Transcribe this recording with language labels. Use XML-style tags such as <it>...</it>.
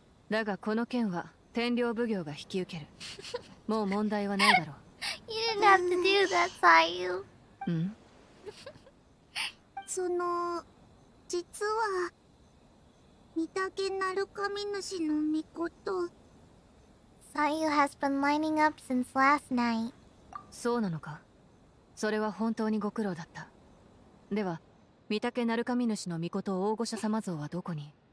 <ja>だがこの件は天領奉行が引き受ける。もう問題はないだろう。</ja> <en>You didn't have to do that, Sayu。</en> <ja>うん？その、実は御岳鳴神主の御子と。</ja> <en>Sayu has been lining up since last night。</en> <ja>そうなのか。それは本当にご苦労だった。では、御岳鳴神主の御子と大御所様像はどこに？</ja>